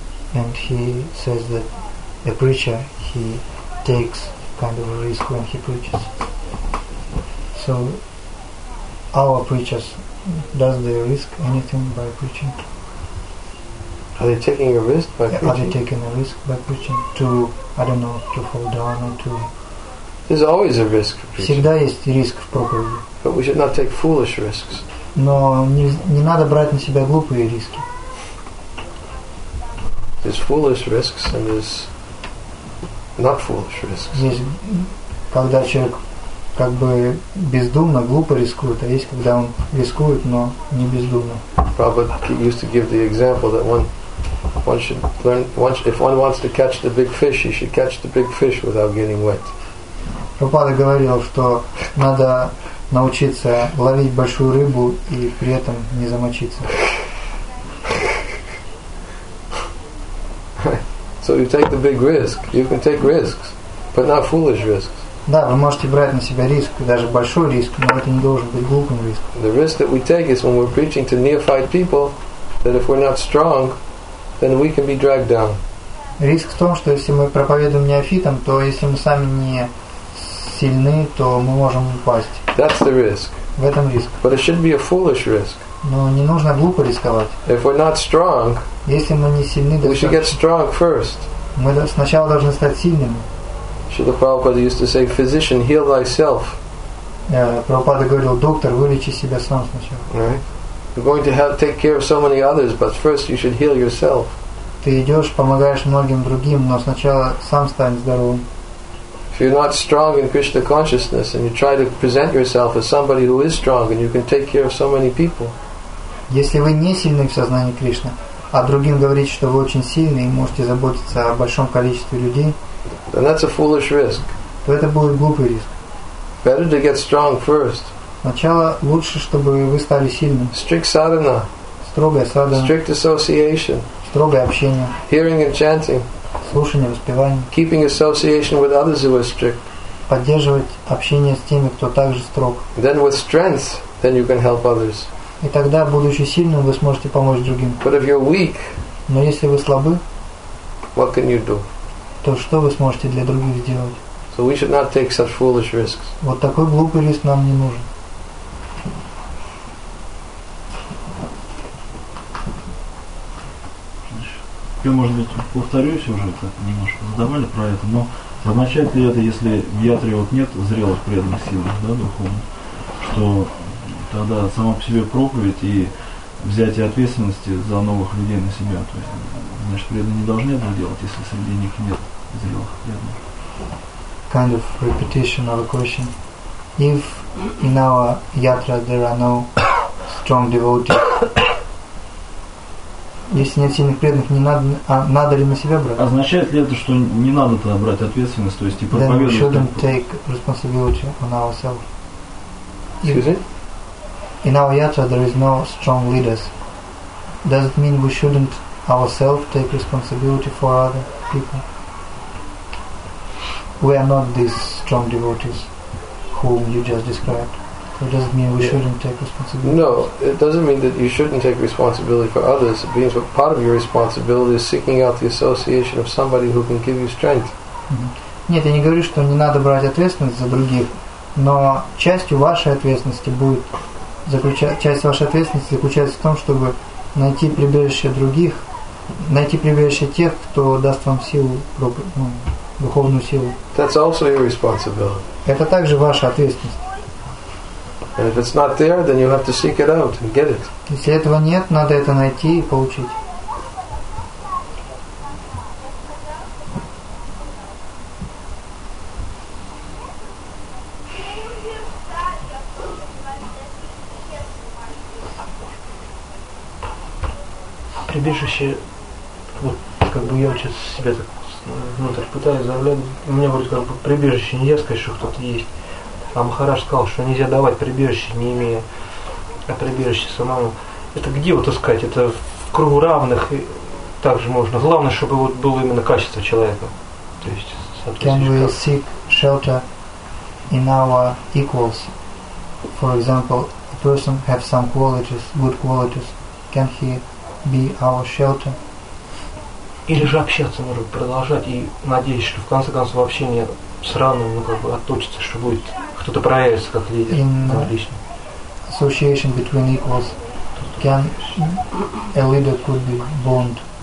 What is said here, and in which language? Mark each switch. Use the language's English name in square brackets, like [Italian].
[English] And he says that a preacher, he takes kind of a risk when he preaches. So our preachers, does they risk anything by preaching? Are they taking a risk by preaching? Are they taking a risk by preaching to, I don't know, to fall down or to... There's always a risk for preaching. [Russian] Всегда есть риск в проповеди. [English] But we should not take foolish risks. [Russian] Но не надо брать на себя глупые риски. [English] There's foolish risks and there's not foolish risks. [Russian] Есть, когда человек как бы бездумно, глупо рискует, а есть, когда он рискует, но не бездумно. [English] Prabhupada used to give the example that one should learn, if one wants to catch the big fish, he should catch the big fish without getting wet. [Russian] Prabhupada говорил, что надо научиться ловить большую рыбу и при этом не замочиться. [English] So you take the big risk. You can take risks, but not foolish risks. [Russian] Да, вы можете брать на себя риск, даже большой риск, но это не должен быть глупым риском. [English] The risk that we take is when we're preaching to neophyte people, that if we're not strong, then we can be dragged down. [Russian] Риск в том, что если мы проповедуем неофитам, то если мы сами не сильны, то мы можем упасть. [English] That's the risk. [Russian] В этом риск. [English] But it shouldn't be a foolish risk. [Russian] Но не нужно глупо рисковать. [English] If we're not strong, [Russian] если мы не сильны, [English] we should get strong first. [Russian] Мы сначала должны стать сильными. [English] Шрила Прабхупада used to say, physician, heal thyself. [Russian] Прабхупада говорил, доктор, вылечи себя сам сначала. [English] Right? You're going to have to take care of so many others, but first you should heal yourself. [Russian] Ты идешь, помогаешь многим другим, но сначала сам стань здоровым. [English] If you're not strong in Krishna consciousness and you try to present yourself as somebody who is strong and you can take care of so many people. [Russian] Если вы не сильны в сознании Кришны, а другим говорите, что вы очень сильны и можете заботиться о большом количестве людей, [English] then that's a foolish risk. [Russian] То это будет глупый риск. [English] Better to get strong first. [Russian] Сначала лучше, чтобы вы стали сильными. [English] Strict sadhana. [Russian] Строгая садхана. [English] Strict association. [Russian] Строгое общение. [English] Hearing and chanting. [Russian] Слушание, воспевание. [English] Keeping association with others who are strict. [Russian] Поддерживать общение с теми, кто также строг. [English] Then with strength, then you can help others. [Russian] И тогда, будучи сильным, вы сможете помочь другим. [English] But if you're weak, [Russian] но если вы слабы, [English] what can you do? [Russian] То что вы сможете для других сделать? [English] So we should not take such foolish risks. [Russian] Вот такой глупый риск нам не нужен. Я, может быть, повторюсь уже, как немножко задавали про это, но означает ли это, если в ятре вот нет зрелых преданных сил, да, духовных, что тогда сама по себе проповедь и взятие ответственности за новых людей на себя, то есть, значит, преданные не должны это делать, если среди них нет зрелых преданных? [English] Kind of repetition of a question. If in our yatra there are no strong devotees, [Russian] если нет сильных преданных, не надо, а надо ли на себя брать? Означает ли это, что не надо тогда брать ответственность, то есть и проповедовать? [English] Then we shouldn't take responsibility on ourselves. Excuse me? In our yatra there is no strong leaders. Does it mean we shouldn't ourselves take responsibility for other people? We are not these strong devotees whom you just described. It doesn't mean we shouldn't take responsibility. No, it doesn't mean that you shouldn't take responsibility for others. It means that part of your responsibility is seeking out the association of somebody who can give you strength. Mm-hmm. [Russian] Нет, я не говорю, что не надо брать ответственность за других, но часть вашей ответственности заключается в том, чтобы найти прибежище других, найти прибежище тех, кто даст вам силу, духовную силу. [English] That's also your responsibility. [Russian] Это также ваша ответственность. [English] And if it's not there, then you have to seek it out and get it. [Russian] Если этого нет, надо это найти и получить. Прибежище, как бы я сейчас себя так внутрь пытаюсь заглянуть. У меня вроде как бы прибежище, нельзя сказать, что кто-то есть. А Махарадж сказал, что нельзя давать прибежище, не имея прибежище самому. Это где вот искать? Это в кругу равных также можно. Главное, чтобы вот было именно качество человека. То есть, соответственно. [English] Can we seek shelter in our equals? For example, a person have some qualities, good qualities. Can he be our shelter? [Russian] Или же общаться, может быть, продолжать и надеяться, что в конце концов общение с равным, ну, как бы отточится, что будет кто-то проявится как лидер. [English] In [Russian] отлично. [English] Association between equals, can a leader could be born?